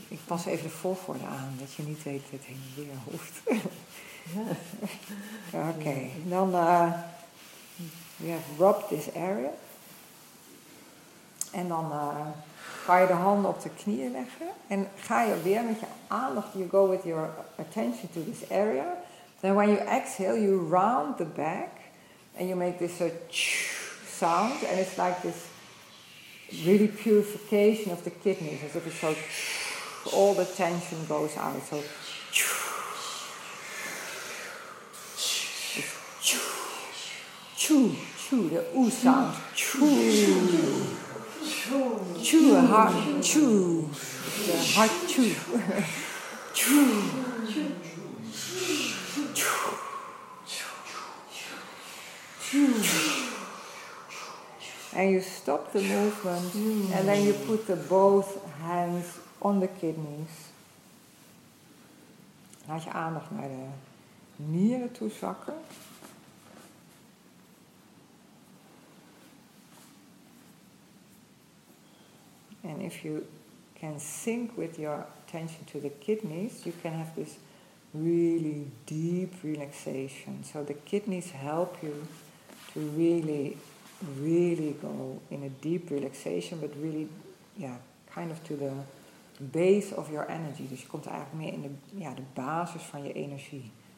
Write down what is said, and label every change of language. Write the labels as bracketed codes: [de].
[nl] Ik pas even de volgorde aan, dat je niet weet het heen en weer hoeft. Ja. [en] Oké, dan we have rubbed this area. [nl] En dan ga je de handen op de knieën leggen. En ga je weer met je aandacht, [en] you go with your attention to this area. Then when you exhale, you round the back. And you make this sound. And it's like this really purification of the kidneys. As if it's so, all the tension goes out. So, choo, choo, the oo sound. Choo. Choo, a heart, choo. Yeah, heart, choo. Choo. Choo. And you stop the movement, and then you put the both hands on the kidneys. [nl] Laat je aandacht naar de nieren toe zakken. [en] And if you can sink with your attention to the kidneys, you can have this really deep relaxation. So the kidneys help you to really, really go in a deep relaxation, but really, yeah, kind of to the base of your energy. [nl] Dus je komt eigenlijk meer in de, ja, de basis van je energie.